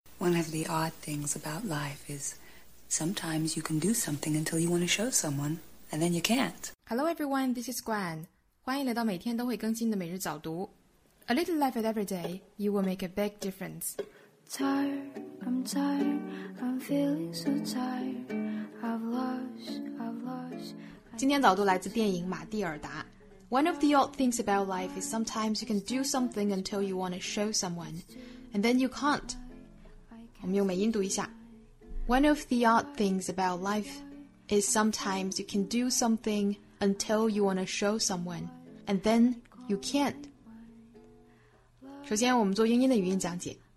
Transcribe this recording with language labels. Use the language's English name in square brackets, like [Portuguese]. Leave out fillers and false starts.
[English] one of the odd things about life is sometimes you can do something until you want to show someone, and then you can't. Hello everyone, this is Gwen. [Chinese] 欢迎来到每天都会更新的每日早读。 [English] A little effort every day, you will make a big difference. Tired, I'm feeling so tired. I've lost. [Chinese] 今天早读来自电影《马蒂尔达》。 [English] One of the odd things about life is sometimes you can do something until you want to show someone, and then you can't. [Chinese] 我们用美音读一下。 [English] One of the odd things about life is sometimes you can do something until you want to show someone, and then you can't. [Chinese] 首先我们做英音的语音讲解。